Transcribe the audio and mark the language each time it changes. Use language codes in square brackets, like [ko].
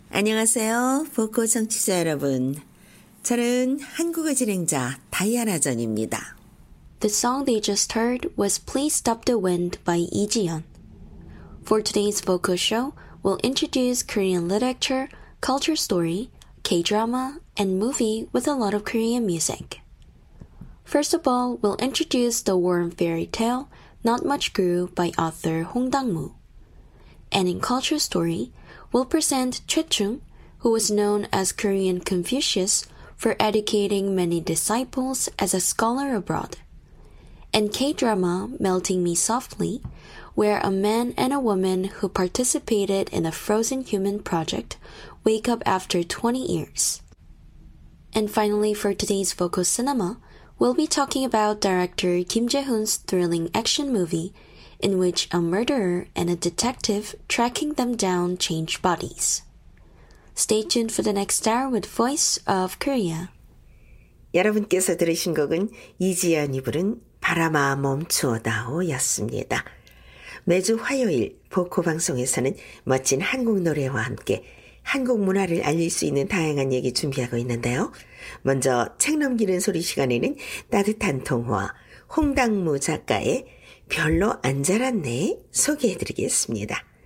[ko] 안녕하세요, 보코 청취자 여러분. 저는 한국어 진행자 다이아나 전입니다. [en] The song they just heard was Please Stop the Wind by Lee Ji-hyun. For today's Voco show, we'll introduce Korean literature, culture story, K-drama, and movie with a lot of Korean music. First of all, we'll introduce the warm fairy tale, Not Much Grew, by author Hong Dang-moo. And in culture story, we'll present Choi Chung, who was known as Korean Confucius, for educating many disciples as a scholar abroad, and K-drama Melting Me Softly, where a man and a woman who participated in a frozen human project wake up after 20 years. And finally, for today's Voco Cinema, we'll be talking about director Kim Jae-hoon's thrilling action movie in which a murderer and a detective tracking them down change bodies. Stay tuned for the next hour with Voice of Korea. [ko] 여러분께서 들으신 곡은 이지연이 부른 바람아 멈추어다오였습니다. 매주 화요일 보코 방송에서는 멋진 한국 노래와 함께 한국 문화를 알릴 수 있는 다양한 얘기 준비하고 있는데요. 먼저 책 넘기는 소리 시간에는 따뜻한 동화 홍당무 작가의 별로 안 자랐네 소개해드리겠습니다.